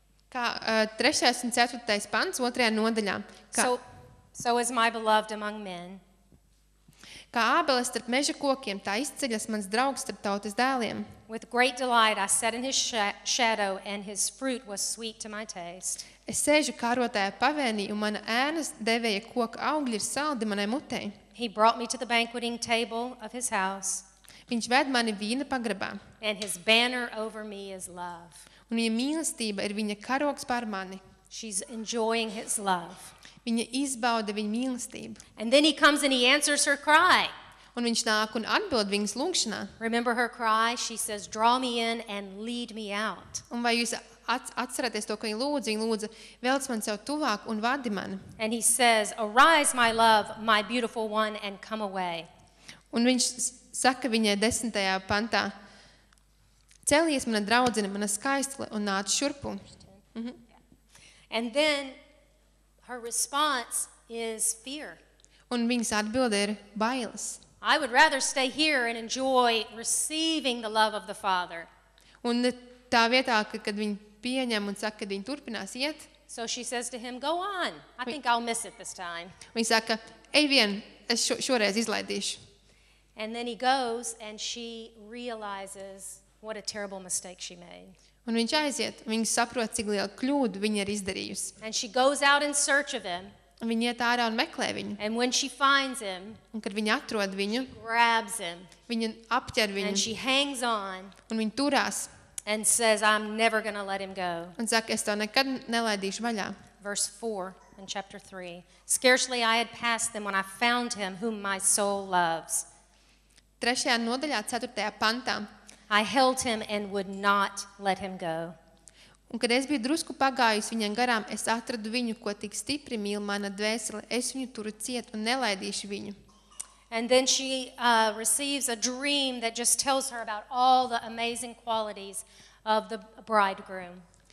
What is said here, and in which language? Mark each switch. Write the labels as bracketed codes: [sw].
[lv] Kā trešais un ceturtais pants otrajā nodaļā. [en] So is my beloved among men. [lv] Kā ābeles starp meža kokiem, tā izceļas mans draugs starp tautas dēliem. [en] With great delight I sat in his shadow and his fruit was sweet to my taste. [lv] Es sēžu kārotājā pavēnī, un mana ēnas devēja koka augļi ir saldi manai mutē. [en] He brought me to the banqueting table of his house. [lv] Viņš ved mani vīna pagrabā. [en] And his banner over me is love. [lv] Un viņa mīlestība ir viņa karogs pār mani. [en] She's enjoying his love. [lv] Viņa izbauda viņa mīlestību. [en] And then he comes and he answers her cry. [lv] Un viņš nāk un atbild viņas lūkšanā. [en] Remember her cry? She says, draw me in and lead me out. [lv] Un vai jūs atcerēties to, ko viņa lūdza, velc man sev tuvāk un vadi mani. [en] And he says, arise my love, my beautiful one, and come away. [lv] Un viņš saka viņai desmitajā pantā, celies mana draudzina, mana skaistle, un nāc šurpu. [en] And then her response is fear. [lv] Un viņas atbilde ir bailes. [en] I would rather stay here and enjoy receiving the love of the Father. [lv] Un tā vietā, kad viņa pieņem un saka, kad viņa turpinās iet. [en] So she says to him, go on. I think I'll miss it this time. [lv] Viņa saka, ej vien, es šoreiz izlaidīšu. [en] And then he goes and she realizes what a terrible mistake she made. [lv] Un viņš aiziet, un viņa saprot, cik lielu kļūdu viņa ir izdarījusi. [en] And she goes out in search of him. [lv] Un viņa iet ārā un meklē viņu. [en] And when she finds him, [lv] un kad viņa atrod viņu, [en] she grabs him. [lv] Viņa apķer viņu. [en] And she hangs on. [lv] Un viņa turās. [en] And says, I'm never gonna let him go. [lv] Un saka, es to nekad nelaidīšu vaļā. [en] Verse 4 in chapter 3. Scarcely I had passed them when I found him whom my soul loves. [lv] Trešajā nodaļā, ceturtajā pantā, [en] I held him and would not let him go. [lv] Un kad es biju drusku pagājusi viņam garām, es atradu viņu, ko tik stipri mīl mana dvēsele, es viņu turu ciet un nelaidīšu viņu. [en] And then she receives a dream that just tells her about all the amazing qualities of the bridegroom.